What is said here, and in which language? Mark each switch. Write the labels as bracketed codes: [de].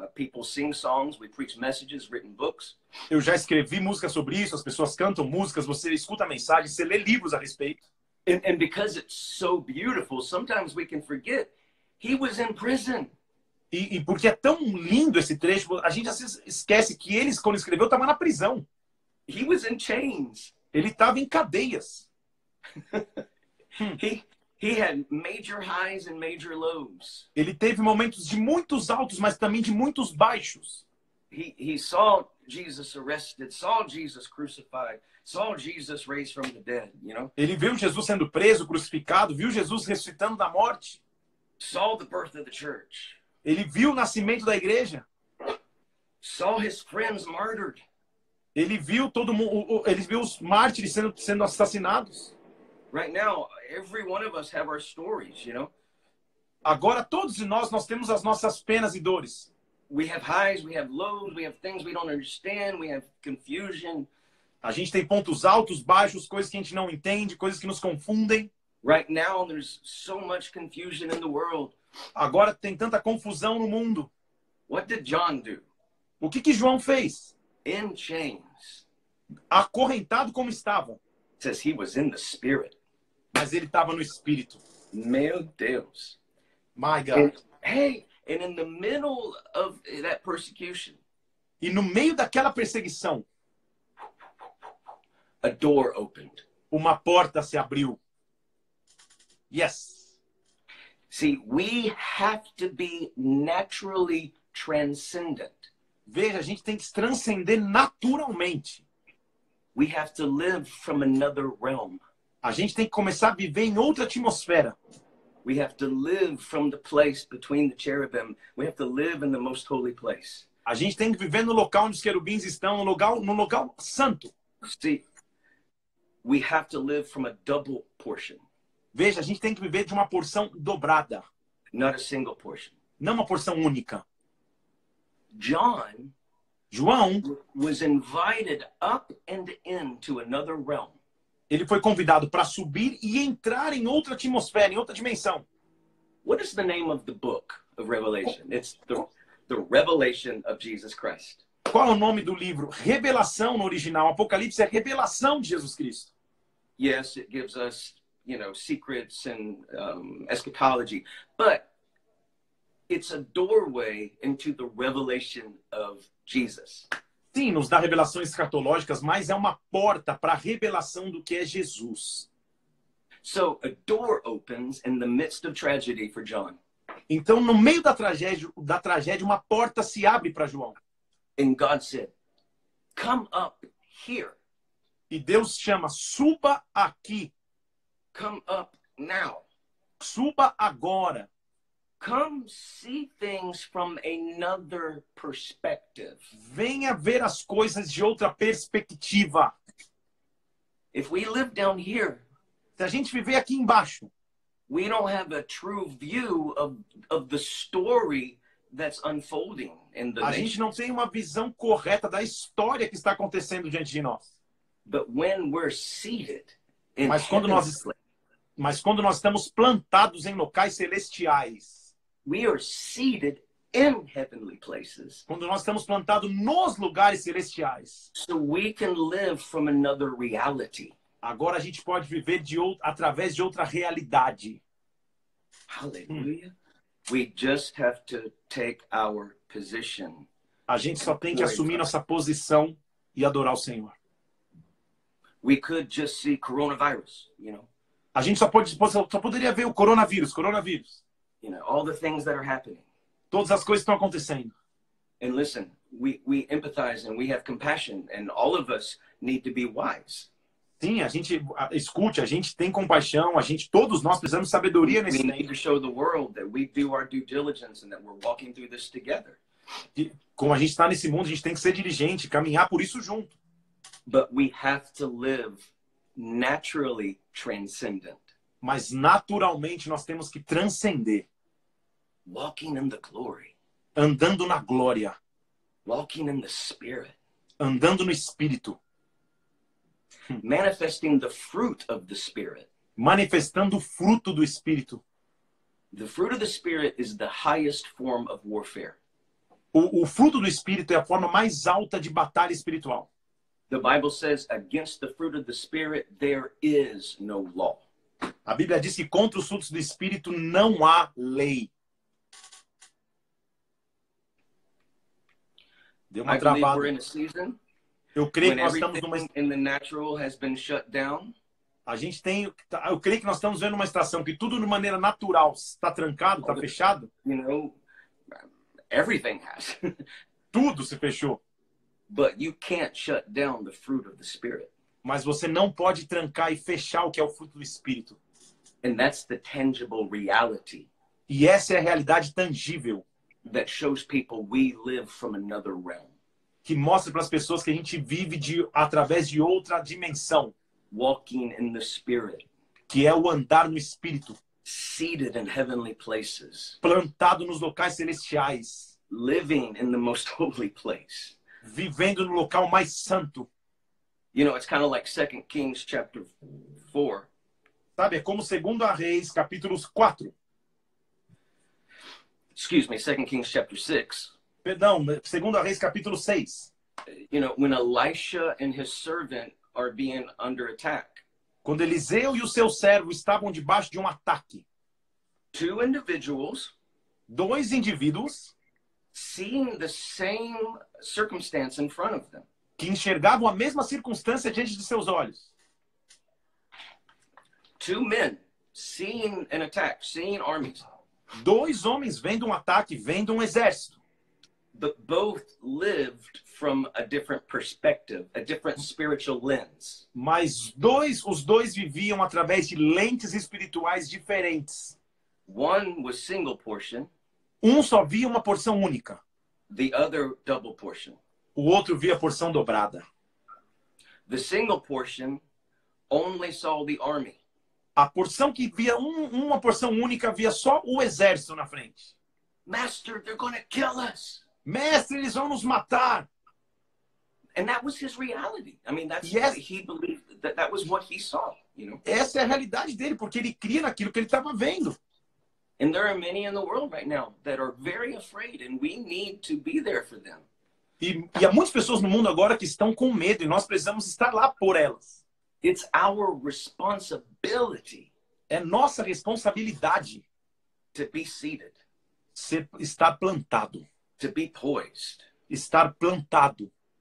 [en] People sing songs, we preach messages, written books. [pt] Eu já escrevi músicas sobre isso, as pessoas cantam músicas, você escuta mensagens, você lê livros a respeito. [en] And because it's so beautiful, sometimes we can forget he was in prison. [pt] E porque é tão lindo esse trecho, a gente esquece que ele, quando escreveu, estava na prisão. [en] He was in chains. [pt] Ele estava em cadeias. [en] He had major highs and major lows. [pt] Ele teve momentos de muitos altos, mas também de muitos baixos. [en] He saw Jesus arrested, saw Jesus crucified, saw Jesus raised from the dead, you know? [pt] Ele viu Jesus sendo preso, crucificado, viu Jesus ressuscitando da morte. [en] Saw the birth of the church. [pt] Ele viu o nascimento da igreja. [en] Saw his friends martyred. [pt] Ele viu todo mundo, ele viu os mártires sendo assassinados. [en] Right now, every one of us have our stories, you know? [pt] Agora todos nós temos as nossas penas e dores. [en] We have highs, we have lows, we have things we don't understand, we have confusion. [pt] A gente tem pontos altos, baixos, coisas que a gente não entende, coisas que nos confundem. [en] Right now there's so much confusion in the world. [pt] Agora tem tanta confusão no mundo. [en] What did John do? [pt] O que que João fez? [en] In chains. [pt] Acorrentado como estava. [en] It says he was in the spirit. [pt] Mas ele estava no espírito. Meu Deus. [en] My God. Hey, And in the middle of that persecution, [pt] e no meio daquela perseguição, [en] a door opened. [pt] Uma porta se abriu. Yes. [en] See, we have to be naturally transcendent. [pt] Veja, a gente tem que se transcender naturalmente. [en] We have to live from another realm. [pt] A gente tem que começar a viver em outra atmosfera. [en] We have to live from the place between the cherubim. We have to live in the most holy place. [pt] A gente tem que viver no local onde os querubins estão, no local santo. [en] See, we have to live from a double portion. [pt] Veja, a gente tem que viver de uma porção dobrada. [en] Not a single portion. [pt] Não uma porção única. João [en] was invited up and into another realm. [pt] Ele foi convidado para subir e entrar em outra atmosfera, em outra dimensão. [en] What is the name of the book of Revelation? It's the Revelation of Jesus Christ. [pt] Qual é o nome do livro? Revelação no original. Apocalipse é Revelação de Jesus Cristo. [en] Yes, it gives us, you know, secrets and eschatology, but it's a doorway into the revelation of Jesus. [pt] Sim, nos dá revelações escatológicas, mas é uma porta para a revelação do que é Jesus. [en] So, a door opens in the midst of tragedy for John. [pt] Então, no meio da tragédia, uma porta se abre para João. [en] And God said, come up here. [pt] E Deus chama, suba aqui. [en] Come up now. [pt] Suba agora. [en] Come see things from another perspective. [pt] Venha ver as coisas de outra perspectiva. [en] If we live down here, [pt] se a gente viver aqui embaixo, [en] we don't have a true view of the story that's unfolding in the [pt] nation. A gente não tem uma visão correta da história que está acontecendo diante de nós. [en] But when we're seated in [pt] mas quando nós estamos plantados em locais celestiais, [en] we are seated in heavenly places. [pt] Quando nós estamos plantados nos lugares celestiais. [en] So we can live from another reality. [pt] Agora a gente pode viver através de outra realidade. [en] Hallelujah. We just have to take our position. [pt] A gente só tem que assumir nossa posição e adorar o Senhor. [en] We could just see coronavirus, you know. [pt] A gente só poderia ver o coronavírus. [en] You know, all the things that are happening. [pt] Todas as coisas estão acontecendo. [en] And listen, we empathize and we have compassion and all of us need to be wise. [pt] Sim, a gente tem compaixão, todos nós precisamos de sabedoria nesse [en] tempo. We need to show the world that we do our due diligence and that we're walking through this together. [pt] Como a gente está nesse mundo, a gente tem que ser diligente, caminhar por isso junto. [en] But we have to live naturally transcendent. [pt] Mas naturalmente nós temos que transcender. [en] Walking in the glory. [pt] Andando na glória. [en] Walking in the spirit. [pt] Andando no espírito. [en] Manifesting the fruit of the spirit. [pt] Manifestando o fruto do espírito. [en] The fruit of the spirit is the highest form of warfare. [pt] O fruto do espírito é a forma mais alta de batalha espiritual. [en] The Bible says against the fruit of the spirit there is no law. [pt] A Bíblia diz que contra os frutos do Espírito não há lei. Deu uma travada. Eu creio que nós estamos numa... [en] In the natural has been shut down. [pt] A gente tem... Eu creio que nós estamos vendo uma estação que tudo de maneira natural está trancado, está fechado. [en] You know, everything has. [pt] Tudo se fechou. [en] But you can't shut down the fruit of the Spirit. [pt] Mas você não pode trancar e fechar o que é o fruto do Espírito. [en] And that's the tangible reality. [pt] E essa é a realidade tangível. [en] That shows people we live from another realm. [pt] Que mostra para as pessoas que a gente vive através de outra dimensão. [en] Walking in the Spirit. [pt] Que é o andar no Espírito. [en] Seated in heavenly places. [pt] Plantado nos locais celestiais. [en] Living in the most holy place. [pt] Vivendo no local mais santo. [en] You know, it's kind of like 2 Kings chapter 4. [pt] Sabe, é como 2 Reis, capítulo 4. [en] Excuse me, 2 Kings chapter 6. [pt] Perdão, 2 Reis, capítulo 6. [en] You know, when Elisha and his servant are being under attack. [pt] Quando Eliseu e o seu servo estavam debaixo de um ataque. [en] Two individuals. [pt] dois indivíduos [en] seeing the same circumstance in front of them. [pt] Que enxergavam a mesma circunstância diante de seus olhos. [en] Two men seeing an attack, seeing armies. [pt] Dois homens vendo um ataque, vendo um exército. [en] But both lived from a different perspective, a different spiritual lens. [pt] Mas os dois viviam através de lentes espirituais diferentes. [en] One was single portion. [pt] Um só via uma porção única. [en] The other double portion. [pt] O outro via a porção dobrada. [en] The single portion only saw the army. [pt] A porção que via uma porção única via só o exército na frente. [en] Master, they're gonna kill us. [pt] Mestre, eles vão nos matar. [en] And that was his reality. I mean, that's yes. What he believed, that was what he saw, you know. [pt] Essa é a realidade dele, porque ele cria naquilo que ele estava vendo. [en] And there are many in the world right now that are very afraid, and we need to be there for them. [pt] E há muitas pessoas no mundo agora que estão com medo, e nós precisamos estar lá por elas. [en] It's our responsibility. [pt] É nossa responsabilidade. [en] To be seated. [pt] Estar plantado. [en] To be poised. [pt] Estar plantado.